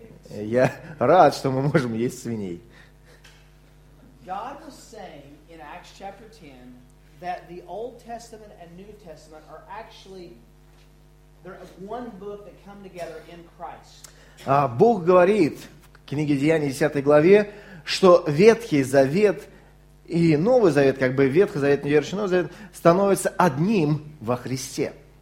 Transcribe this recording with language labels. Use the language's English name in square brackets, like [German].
[Russian] Я рад, что мы можем есть свиней. [English] God was saying in Acts chapter 10 that the Old Testament and New Testament are actually they're one book that come together in Christ. [Russian] Бог говорит в книге Деяний, 10 главе, что Ветхий Завет и Новый Завет, как бы Ветхий Завет, Новый Завет, становятся одним во Христе.